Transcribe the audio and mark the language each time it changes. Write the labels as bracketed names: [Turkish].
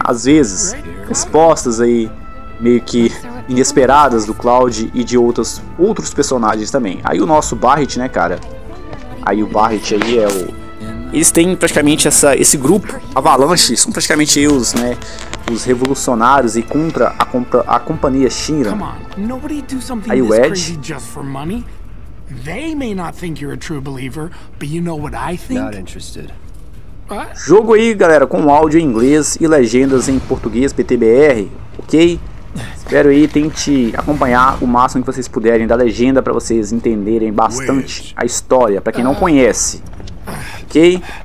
[Portuguese] Às vezes, respostas aí meio que inesperadas do Cloud e de outros personagens também. Aí o nosso Barrett, né, cara? Aí o Barrett aí é o... Eles têm praticamente esse grupo, Avalanche, são praticamente eles, né, os revolucionários e contra a companhia Shinra. Aí o Ed. [English] They may not think you're a true believer, but you know what I think? Not interested. What? [Portuguese] Jogo aí, galera, com áudio em inglês e legendas em português, PTBR, ok? Espero aí, tente acompanhar o máximo que vocês puderem da legenda para vocês entenderem bastante a história, para quem não conhece, ok?